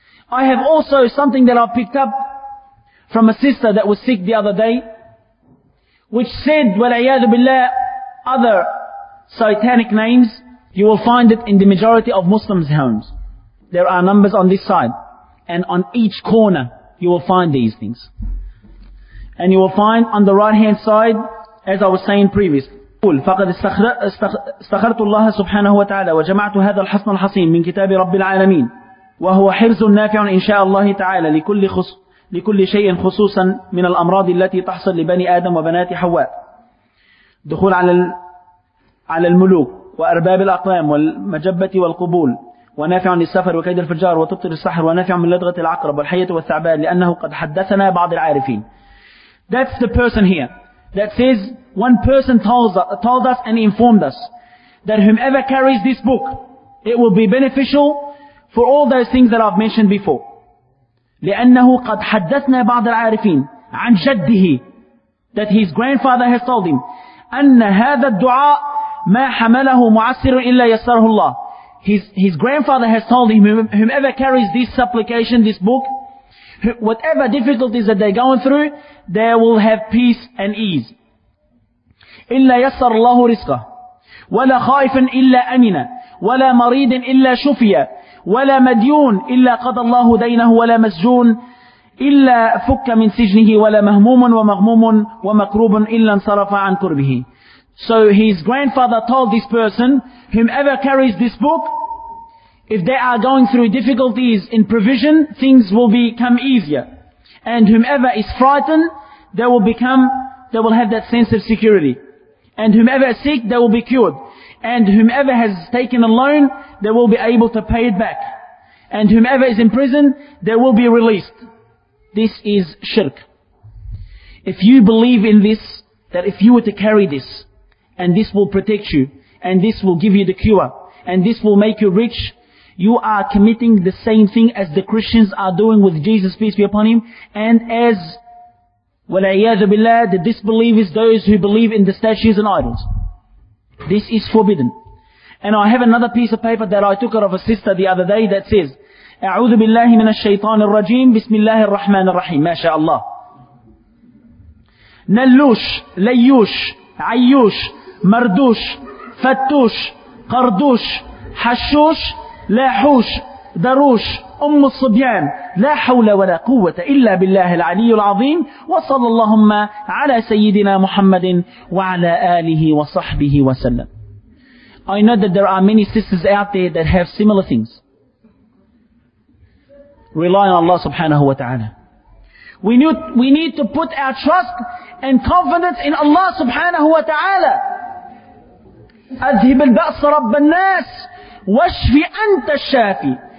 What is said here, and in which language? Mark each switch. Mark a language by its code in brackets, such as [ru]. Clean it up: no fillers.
[en] I have also something that I picked up from a sister that was sick the other day, which said, [ar] وَلَعِيَاذُ بِاللَّهِ [en] other satanic names. You will find it in the majority of Muslims' homes. There are numbers on this side. And on each corner, you will find these things. And you will find on the right-hand side, as I was saying previously, [ar] فقد استخرت الله سبحانه وتعالى وجمعت هذا الحسن الحصين من كتاب رب العالمين وهو حرز نافع إن شاء الله تعالى لكل شيء خصوصا من الأمراض التي تحصل لبني آدم وبنات حواء دخول على الملوك وأرباب الأقلام والمجبة والقبول ونافع للسفر وكيد الفجار وتبطل السحر ونافع من لدغة العقرب والحية والثعبان لأنه قد حدثنا بعض العارفين. [en] That's the person here that says, one person told us and informed us that whomever carries this book, it will be beneficial for all those things that I've mentioned before. [ar] لأنه قد حدثنا بعض العارفين عن جده, [en] that his grandfather has told him, [ar] أن هذا الدعاء ما حمله معسر إلا يسره الله. [en] His grandfather has told him, whomever carries this supplication, this book, whatever difficulties that they're going through, they will have peace and ease. [ar] إلا يسر الله رزقه ولا خائف إلا أمنا ولا مريض إلا شفيا ولا مديون إلا قضى الله دينه ولا مسجون إلا فك من سجنه ولا مهموم ومغموم ومكروب إلا انصرف عن كربه. [en] So his grandfather told this person, whomever carries this book, if they are going through difficulties in provision, things will become easier. And whomever is frightened, they will have that sense of security. And whomever is sick, they will be cured. And whomever has taken a loan, they will be able to pay it back. And whomever is in prison, they will be released. This is shirk. If you believe in this, that if you were to carry this, and this will protect you, and this will give you the cure, and this will make you rich, you are committing the same thing as the Christians are doing with Jesus, peace be upon him, and as [ar] وَلَعِيَاذُ بِاللَّهِ [en] the disbelievers, those who believe in the statues and idols. This is forbidden. And I have another piece of paper that I took out of a sister the other day that says, [ar] أَعُوذُ بِاللَّهِ مِنَ الشَّيْطَانِ الرَّجِيمِ بِسْمِ اللَّهِ الرَّحْمَنِ الرَّحِيمِ مَا شَاءَ اللَّهِ نَلُّوش لَيُّوش عَيُّوش مَرْدُوش فَتُّوش قَرْدُوش حَشُّوش لَاحُوش دَرُوش أم الصبيان لا حول ولا قوة إلا بالله العلي العظيم وصلى اللهم على سيدنا محمد وعلى آله وصحبه وسلم. [en] I know that there are many sisters out there that have similar things. Rely on Allah subhanahu wa ta'ala. We need to put our trust and confidence in Allah subhanahu wa ta'ala. [ar] أذهب البأس رب الناس واشفي أنت الشافي.